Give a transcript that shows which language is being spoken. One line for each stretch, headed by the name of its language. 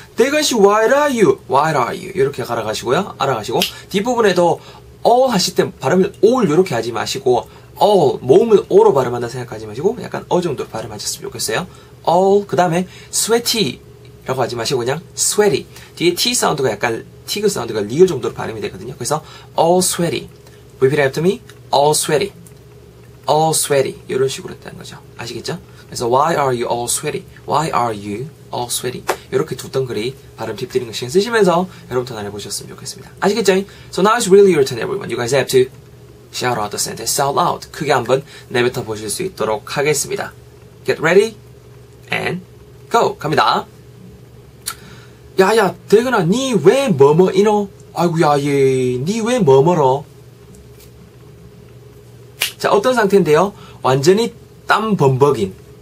Korean: 대가시
English: Why are you? Why are you?
Korean: 이렇게 알아가시고요. 알아가시고 뒷부분에도 all 하실 때 발음을 all 이렇게 하지 마시고 all 모음을 all로 발음한다 생각하지 마시고 약간 어 정도로 발음하셨으면 좋겠어요 all 그 다음에 sweaty 라고 하지 마시고 그냥 sweaty 뒤에 t 사운드가 약간 tig 사운드가 리을 정도로 발음이 되거든요 그래서
English: all sweaty repeat after me all sweaty
Korean: all sweaty 이런 식으로 했다는 거죠 아시겠죠?
English: 그래서 why are you all sweaty? why are you all sweaty?
Korean: 이렇게 두 덩그리 발음 팁 드리는 시간 쓰시면서 여러분도 나를 보셨으면 좋겠습니다 아시겠죠?
English: so now it's really your turn everyone you guys have to Shout out the sentence out loud.
Korean: 크게 한번 내뱉어 보실 수 있도록 하겠습니다.
English: Get ready and go.
Korean: 갑니다. 야야, 대근아, 니 왜 뭐뭐 이노? 아이고야, 얘, 니 왜 뭐뭐러? 자, 어떤 상태인데요? 완전히 땀 범벅인.